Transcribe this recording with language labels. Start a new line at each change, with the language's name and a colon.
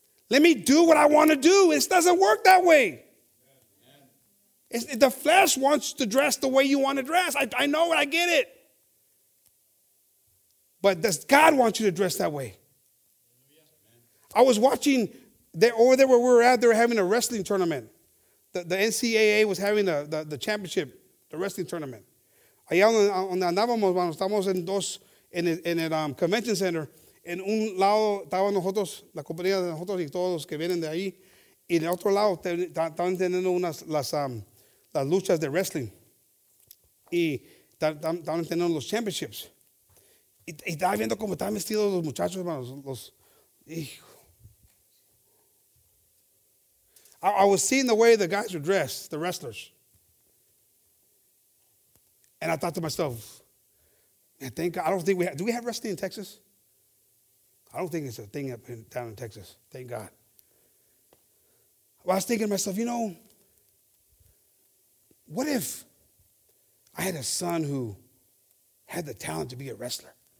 English: Let me do what I want to do. It doesn't work that way. The flesh wants to dress the way you want to dress. I know it. I get it. But does God want you to dress that way? I was watching over there where we were at. They were having a wrestling tournament. The NCAA was having the championship, the wrestling tournament.
Spanish: Allá donde andábamos, bueno, estábamos en dos en el convention center. En un lado estaban nosotros, la compañía de nosotros y todos los que vienen de ahí. Y en el otro lado estaban teniendo las luchas de wrestling. Y estaban teniendo los championships. Y estaba viendo cómo estaban vestidos los muchachos, hermanos.
English: I was seeing the way the guys were dressed, the wrestlers. And I thought to myself, do we have wrestling in Texas? I don't think it's a thing down in Texas. Thank God. Well, I was thinking to myself, you know, what if I had a son who had the talent to be a wrestler?